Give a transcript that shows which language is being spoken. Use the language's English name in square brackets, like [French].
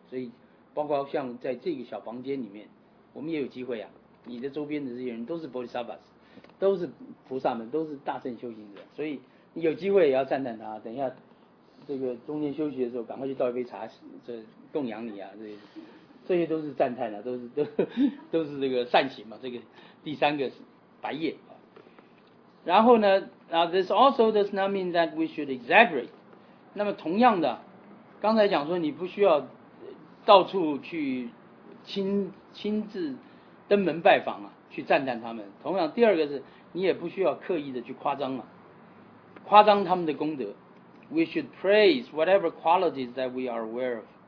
[Chinese] 所以包括像在这个小房间里面我们也有机会啊，你的周边的这些人都是 Bodhisattvas， 都是菩萨们，都是大乘修行者，所以你有机会也要赞叹他。等一下这个中间休息的时候赶快去倒一杯茶这供养你啊，这些都是赞叹啊，都是这个善行嘛，这个第三个是白业。然后呢 [English] Now this also does not mean that we should exaggerate。 [Chinese] 那么同样的刚才讲说你不需要到处去亲自登门拜访啊，去赞叹他们。同样第二个是你也不需要刻意的去夸张啊，夸张他们的功德。 [English] We should praise whatever qualities that we are aware of。